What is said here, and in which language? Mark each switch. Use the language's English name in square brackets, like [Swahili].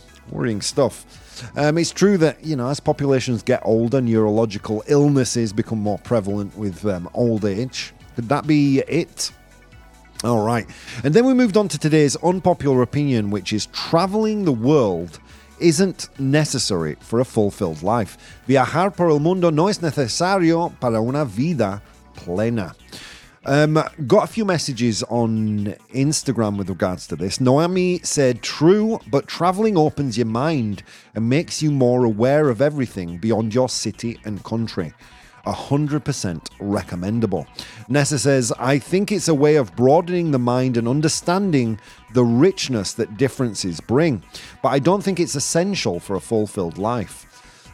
[English] Worrying stuff. It's true that, you know, as populations get older, neurological illnesses become more prevalent with old age. Could that be it? All right. And then we moved on to today's unpopular opinion, which is traveling the world isn't necessary for a fulfilled life. [Spanish] Viajar por el mundo no es necesario para una vida plena. [English] Got a few messages on Instagram with regards to this. Noemi said, true, but traveling opens your mind and makes you more aware of everything beyond your city and country. 100% recommendable. Nessa says, I think it's a way of broadening the mind and understanding the richness that differences bring, but I don't think it's essential for a fulfilled life.